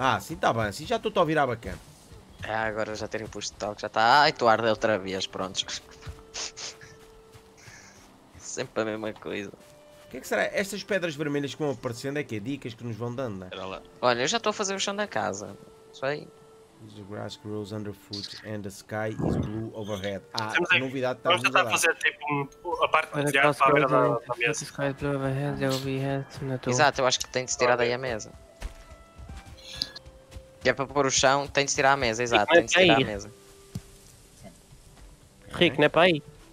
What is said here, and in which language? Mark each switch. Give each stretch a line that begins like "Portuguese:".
Portuguese: Ah, sim, está bem. Sim, já estou a ouvir à bacana. É, agora já terem posto tal que já está. Ai, tu arde outra vez, pronto. Sempre a mesma coisa. O que é que será? Estas pedras vermelhas que vão aparecendo é que é dicas que nos vão dando, não é? Olha, eu já estou a fazer o chão da casa. Isso aí.
English: The grass grows underfoot and the sky is blue overhead.
Portuguese: Ah, que novidade está a vamos tentar fazer tipo a parte de diário para a mesa.
English: Sky is blue overhead, overhead.
Portuguese: Exato, eu acho que tem de se tirar daí a mesa. Que é para pôr o chão, tem de tirar a mesa, exato, tem de tirar a mesa. Rico, não é para aí?